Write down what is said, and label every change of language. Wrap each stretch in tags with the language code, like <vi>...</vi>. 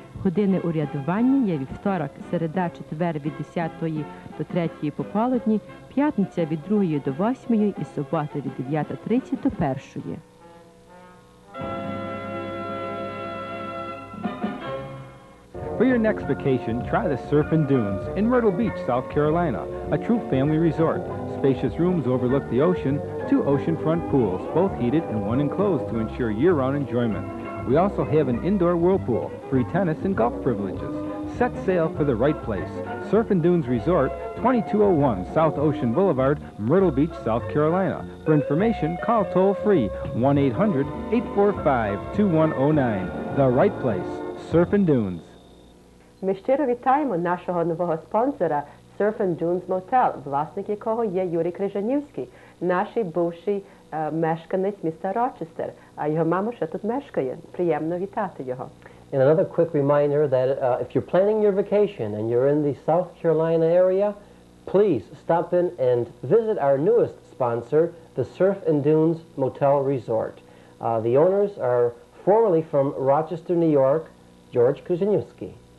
<uk>Години урядування є вівторок, середа, четвер від 10 до 3 пополудні, п'ятниця від 2 до 8 і субота від 9.30 до 1.</uk> <en>For your next vacation, try the Surf and Dunes in Myrtle Beach, South Carolina, a true family resort. Spacious rooms overlook the ocean, two oceanfront pools, both heated and one enclosed to ensure year-round enjoyment. We also have an indoor whirlpool, free tennis and golf privileges. Set sail for the right place. Surf and Dunes Resort, 2201 South Ocean Boulevard, Myrtle Beach, South Carolina. For information, call toll-free 1-800-845-2109. The right place, Surf and Dunes.</en> <uk>Ми щиро вітаємо нашого нового спонсора Surf and Dunes Motel, власник якого є Юрій Крижанівський, наш бувший мешканець міста Рочестер, а його мама ще тут мешкає. Приємно вітати його.</uk> <en>And another quick reminder that if you're planning your vacation and you're in the South Carolina area, please stop in and visit our newest sponsor, the Surf and Dunes Motel Resort. The owners are formerly from Rochester, New York, George Krizhanivsky.</en>